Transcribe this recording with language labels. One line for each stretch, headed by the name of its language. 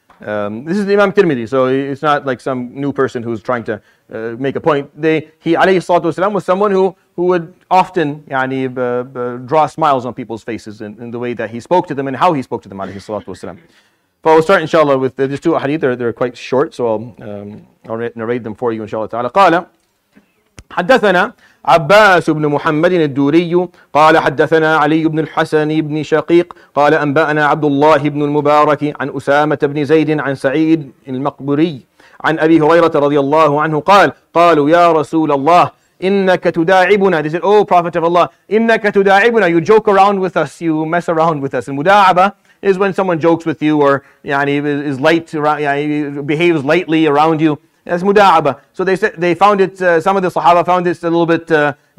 English: This is Imam Tirmidhi, so it's not like some new person who's trying to make a point. Alayhi salatu wasalam was someone who would often draw smiles on people's faces in the way that he spoke to them and how he spoke to them, alayhi salatu wasalam. But we'll start, inshallah, with these two hadith. They're quite short, so I'll narrate them for you, inshallah ta'ala. Qala,
Arabic: حدثنا عباس بن محمد الدوري قال حدثنا علي بن الحسن بن شقيق قال أنبأنا عبد الله بن المبارك عن أسامة بن زيد عن سعيد المقبري عن أبي هريرة رضي الله عنه قال قالوا يا رسول الله إنك تداعبنا.
English: They said, oh Prophet of Allah,
Arabic: إنك تداعبنا.
English: You joke around with us, you mess around with us. المداعبة is when someone jokes with you or is light, behaves lightly around you. That's muda'aba. So they said, they found it, some of the Sahaba found this a little bit new.